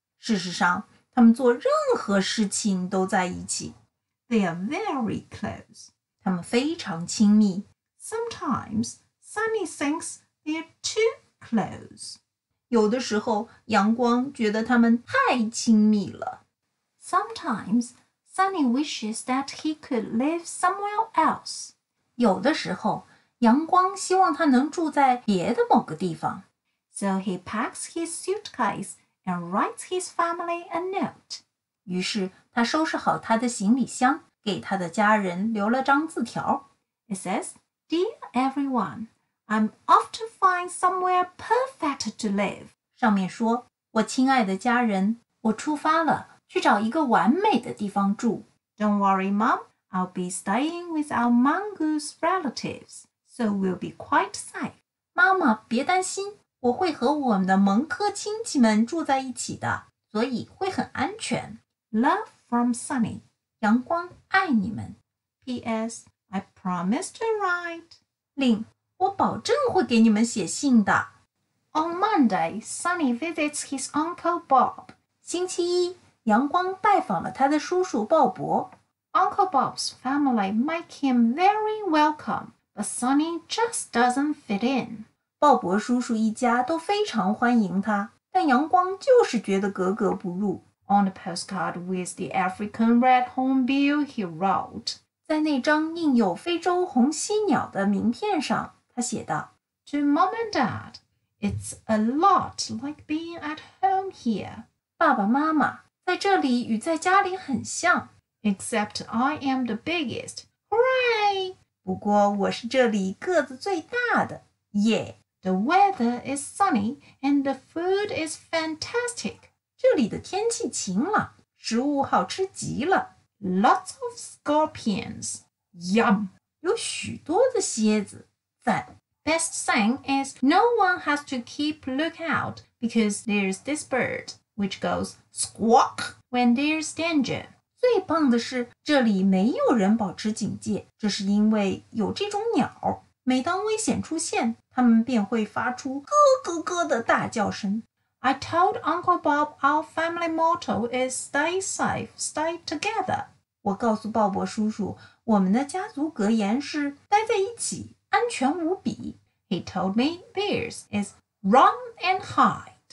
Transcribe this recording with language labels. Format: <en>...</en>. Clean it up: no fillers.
<zh>事实上他们做任何事情都在一起。</zh> <en>They are very close.</en> <zh>他们非常亲密。</zh> <en>Sometimes, Sunny thinks they are too close.</en> <zh>有的时候阳光觉得他们太亲密了。</zh> <en>Sometimes, Sunny wishes that he could live somewhere else.</en> <zh>有的时候阳光希望他能住在别的某个地方。</zh> <en>So he packs his suitcase and writes his family a note.</en> <zh>于是他收拾好他的行李箱，给他的家人留了张字条。</zh> <en>It says, Dear everyone, I'm off to find somewhere perfect to live.</en> <zh>上面说，我亲爱的家人，我出发了，去找一个完美的地方住。</zh> <en>Don't worry, Mom, I'll be staying with our mongoose relatives, so we'll be quite safe.</en> <zh>妈妈，别担心，我会和我们的蒙科亲戚们住在一起的，所以会很安全。</zh> <en>Love from Sunny.</en> <zh>阳光爱你们。</zh> <en>P.S. I promise to write.</en> <zh>令，我保证会给你们写信的。</zh> <en>On Monday, Sunny visits his Uncle Bob.</en> <zh>星期一，阳光拜访了他的叔叔鲍勃。</zh> <en>Uncle Bob's family make him very welcome, but Sunny just doesn't fit in.</en> <zh>鲍勃叔叔一家都非常欢迎他，但阳光就是觉得格格不入。</zh> <en>On the postcard with the African red hornbill, he wrote,</en> <zh>在那张印有非洲红犀鸟的名片上，他写道</zh> <en>To mom and dad, it's a lot like being at home here.</en> <zh>爸爸妈妈，在这里与在家里很像。</zh> <en>Except I am the biggest. Hooray!</en> <zh>不过我是这里个子最大的。</zh> <en>Yeah! The weather is sunny and the food is fantastic.</en> <zh>这里的天气晴朗，食物好吃极了。</zh> <en>Lots of scorpions.</en> <zh>Yum! 有许多的蝎子，赞。</zh> <en>Best thing is no one has to keep lookout because there's this bird, which goes squawk when there's danger.</en> <zh>最棒的是这里没有人保持警戒，这是因为有这种鸟。每当危险出现，它们便会发出咯咯咯的大叫声。</zh> <en>I told Uncle Bob our family motto is stay safe, stay together.</en> <zh>我告诉鲍勃叔叔，我们的家族格言是待在一起，安全无比。</zh> <en>He told me theirs is run and hide.</en>